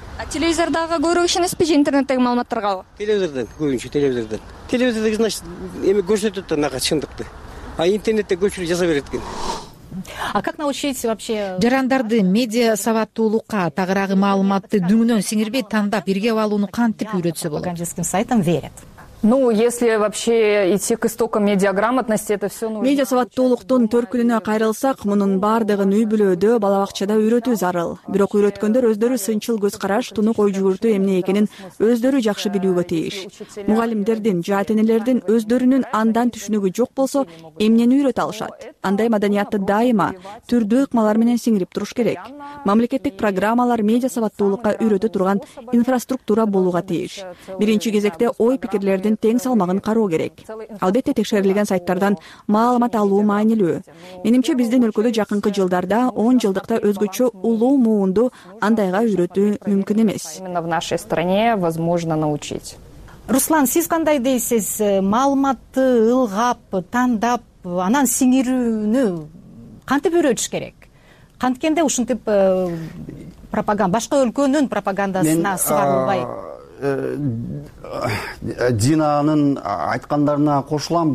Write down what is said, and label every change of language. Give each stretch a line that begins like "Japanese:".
Kyrgyz: Телевизордагы көбүрөөк ишенесизби же интернеттеги маалыматтаргабы? Телевизордон, көбүнчө телевизордон. Телевизордо значит эми көрсөтөт да мага чындыкты. А интернетте көпчүлүк жаза берет экен.
Russian: А как научить вообще
Kyrgyz: жарандарды медиа сабаттуулукка, тагыраагы маалыматты дүңүнөн сиңирбей тандап иргеп алууну кантип үйрөтсө болот?
Russian: Пропагандистским сайтам верят. Ну, если вообще идти к истокам медиаграмотности, это все нужно.
Kyrgyz: Медиа сабаттуулуктун төркүнүнө кайрылсак, мунун бардыгын үй бүлөдө, бала бакчада үйрөтүү зарыл. Бирок үйрөткөндөр өздөрү сынчыл көз караш, тунук ой жүгүртүү эмне экенин өздөрү жакшы билүүгө тийиш. Мугалимдердин, жаатенелердин өздөрүнүн андан түшүнүгү жок болсо, эмнени үйрөтө алышат? Андай маданиятты дайыма түрдүү ыкмалар менен сиңирип туруш керек. Мамлекеттик программалар медиа сабаттуулукка үйрөтө турган инфраструктура болууга тийиш. Биринчи кезекте ой пикирлер тең салмагын кароо керек. Албетте текшерилген сайттардан маалымат алуу маанилүү. Менимче биздин өлкөдө жакынкы жылдарда 10 жылдыкта өзгөчө улуу муунду андайга үйрөтүү мүмкүн эмес.
Russian: Именно в нашей стране возможно научить.
Kyrgyz: Руслан, сиз кандай дейсиз? Маалыматты ылгап, тандап, анан сиңирүүнү кантип үйрөтүш керек? Канткенде ушинтип пропаганда, башка өлкөнүн пропагандасына сугарылбай? Динанын айткандарына кошулам.